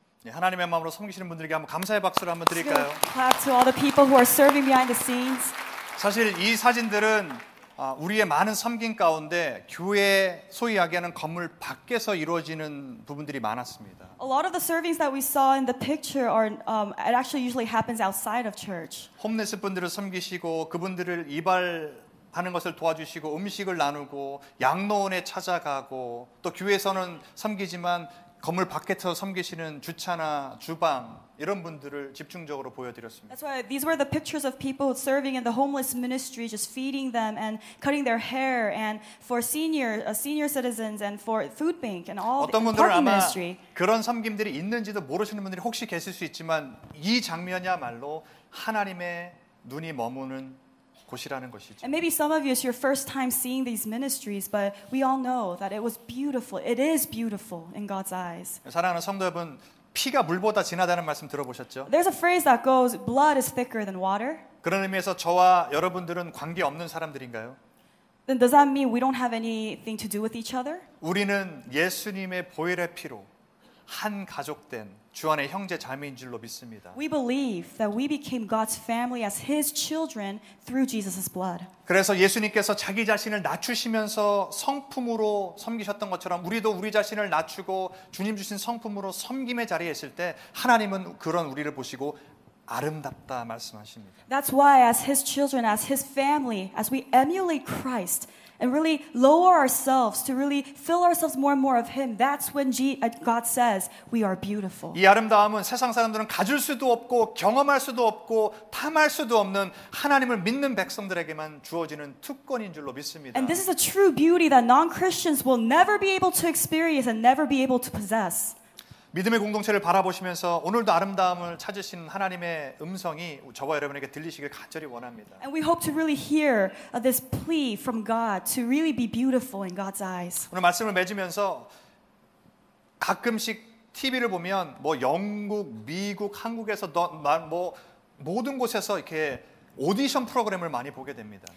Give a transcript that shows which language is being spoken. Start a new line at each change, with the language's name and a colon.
Korean: 하나님의 마음으로 섬기시는 분들에게 한번 감사의 박수를 한번 드릴까요?
English: Clap to all the people who are serving behind the scenes.
Korean: 사실 이 사진들은 우리의 많은 섬김 가운데 교회 소위 이야기하는 건물 밖에서 이루어지는 부분들이 많았습니다.
English: A lot of the servings that we saw in the picture are it actually usually happens outside of church.
Korean: 홈리스 분들을 섬기시고 그분들을 이발 하는 것을 도와주시고 음식을 나누고 양로원에 찾아가고 또 교회에서는 섬기지만 건물 밖에서 섬기시는 주차나 주방 이런 분들을 집중적으로 보여드렸습니다.
English: That's why these were the pictures of people serving in the homeless ministry, just feeding them and cutting their hair, and for senior citizens, and for food bank, and all the parking ministry.
Korean: 그런 섬김들이 있는지도 모르시는 분들이 혹시 계실 수 있지만 이 장면이야말로 하나님의 눈이 머무는.
English: And maybe some of you, it's your first time seeing these ministries, but we all know that it was beautiful. It is beautiful in God's eyes.
Korean: 사랑하는 성도 여러분, 피가 물보다 진하다는 말씀 들어보셨죠?
English: There's a phrase that goes, blood is thicker than water.
Korean: 그런 의미에서 저와 여러분들은 관계 없는 사람들인가요?
English: Then does that mean we don't have anything to do with each other?
Korean: 우리는 예수님의 보혈의 피로 한 가족된 주 안에 형제 자매인 줄로 믿습니다.
English: We believe that we became God's family as His children through Jesus' blood.
Korean: 그래서 예수님께서 자기 자신을 낮추시면서 성품으로 섬기셨던 것처럼 우리도 우리 자신을 낮추고 주님 주신 성품으로 섬김의 자리에 있을 때 하나님은 그런 우리를 보시고 아름답다 말씀하십니다.
English: That's why as His children, as His family, as we emulate Christ, and really lower ourselves to really fill ourselves more and more of Him. That's when God says we are beautiful.
Korean: 이 아름다움은 세상 사람들은 가질 수도 없고 경험할 수도 없고 탐할 수도 없는 하나님을 믿는 백성들에게만 주어지는 특권인 줄로 믿습니다.
English: And this is a true beauty that non-Christians will never be able to experience and never be able to possess.
Korean: 믿음의 공동체를 바라보시면서 오늘도 아름다움을 찾으시는 하나님의 음성이 저와 여러분에게 들리시길 간절히 원합니다.
English: And we hope to really hear this plea from God to really be beautiful in God's eyes.
Korean: 오늘 말씀을 맺으면서 가끔씩 TV를 보면 뭐 영국, 미국, 한국에서 뭐 모든 곳에서 이렇게 오디션 프로그램을 많이 보게 됩니다.